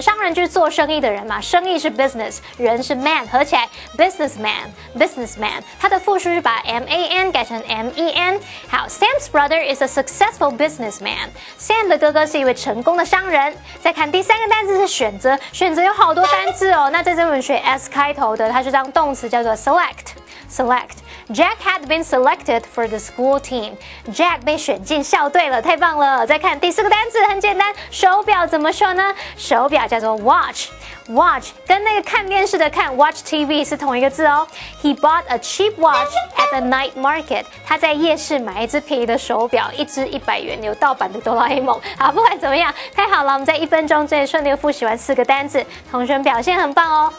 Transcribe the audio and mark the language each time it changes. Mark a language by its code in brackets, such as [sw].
[zh] 商人就是做生意的人嘛，生意是 business， 人是 man， 合起来 businessman。businessman。它的复数是把 man 改成 men。好， [en] Sam's brother is a successful businessman。 [zh] Sam 的哥哥是一位成功的商人。再看第三个单字是选择。选择有好多单字哦，那在这文学 S 开头的它是当动词，叫做 select。 [en] Select Jack had been selected for the school team。 [zh] Jack 被选进校队了，太棒了。再看第四个单字，很简单，手表怎么说呢？手表叫做 watch。Watch 跟那个看电视的看 Watch TV 是同一个字哦。 [en] He bought a cheap watch at the night market。 [zh] 他在夜市买一只便宜的手表，一只100元，有盗版的哆啦 A 梦。好，不管怎么样，太好了，我们在一分钟之内顺利复习完四个单字，同学们表现很棒哦。